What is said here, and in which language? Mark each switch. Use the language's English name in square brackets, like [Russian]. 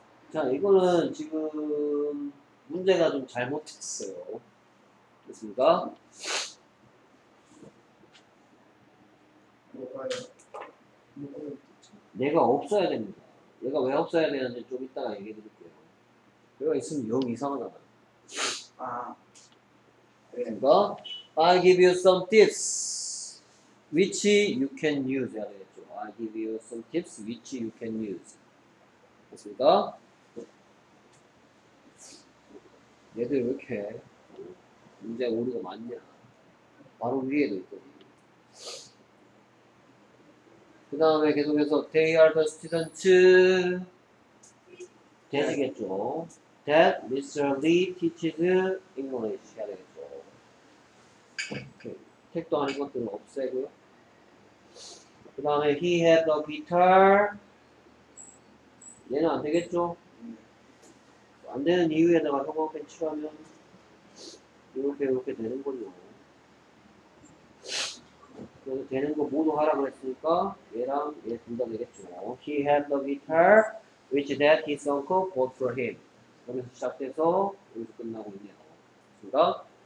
[Korean] 자, 이거는 지금 문제가 좀 잘못됐어요. 됐습니까? 내가 없어야 됩니다. 얘가 왜 없어야 되는지 좀 이따가 얘기해 드릴게요. 얘가 있으면 영 이상하잖아. 아. 됐습니까? [English] I give you some tips which you can use [Korean] 해야 되겠죠. [English] I give you some tips which you can use. [Korean] 됐습니까? 얘들 왜 이렇게 문제 오류가 많냐. 바로 위에도 있거든요. 그 다음에 계속해서 [English] They are the students [Korean] 되시겠죠. [English] That Mr. Lee teaches English [Korean] 해야 되겠죠. 택도 아닌 것들은 없애고요. 그 다음에 [English] he had a guitar. [Korean] 얘는 안 되겠죠? 안 되는 이유에다가 형광펜 칠하면 이렇게 이렇게 되는 거죠. 그래서 되는 거 모두 하라고 했으니까 얘랑 얘 둘 다 되겠죠. [English] He had a guitar which that his uncle bought for him. [Korean] 그러면서 시작돼서 여기서 끝나고 있네요. 그렇습니까?